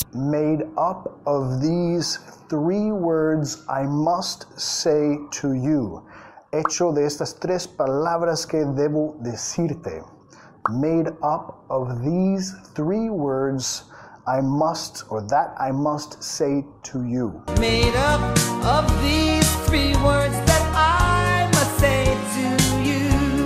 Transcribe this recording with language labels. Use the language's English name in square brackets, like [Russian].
[English] Made up of these three words I must say to you. [Spanish] Hecho de estas tres palabras que debo decirte. [English] Made up of these three words I must, or that I must say to you. Made up of these three words that I must say to you.